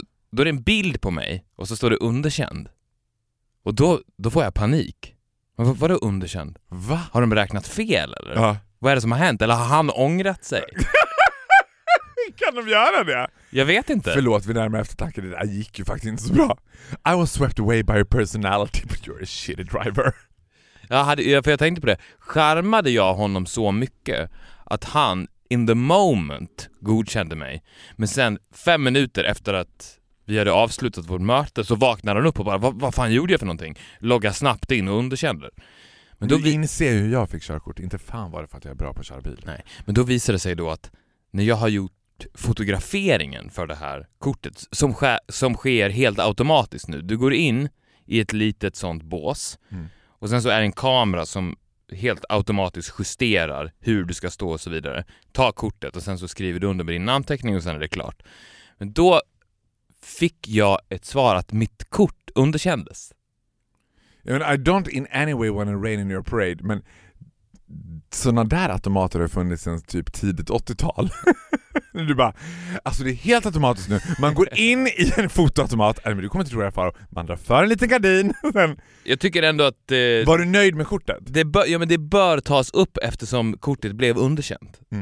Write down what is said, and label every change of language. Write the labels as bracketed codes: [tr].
[sv] Då är det en bild på mig och så står det underkänd. Och då får jag panik. Men vad är det underkänd? Va? Har de räknat fel eller? Ja. Vad är det som har hänt? Eller har han ångrat sig? Kan de göra det? Jag vet inte. Förlåt, vi närmar eftertanke. Det där gick ju faktiskt inte så bra. [en] I was swept away by your personality, but you're a shitty driver. [sv] Jag tänkte på det. Skärmade jag honom så mycket att han [en] in the moment [sv] godkände mig, men sen 5 minuter efter att vi hade avslutat vårt möte så vaknade han upp och bara vad fan gjorde jag för någonting, logga snabbt in och underkände. Men då inser hur jag fick körkort, inte fan var det för att jag är bra på att köra bil. Nej, men då visade det sig då att när jag har gjort fotograferingen för det här kortet som sker helt automatiskt nu, du går in i ett litet sånt bås och sen så är en kamera som helt automatiskt justerar hur du ska stå och så vidare. Ta kortet och sen så skriver du under med din namnteckning och sen är det klart. Men då fick jag ett svar att mitt kort underkändes. [en] I mean, I don't in any way want to rain in your parade, [sv] men såna där automater har funnits sedan typ tidigt 80-tal. Du bara, alltså det är helt automatiskt nu. Man går in i en fotoautomat. Men du kommer inte tro det här, far. Man drar för en liten gardin. Men jag tycker ändå att... Var du nöjd med kortet? Det bör tas upp eftersom kortet blev underkänt. Mm.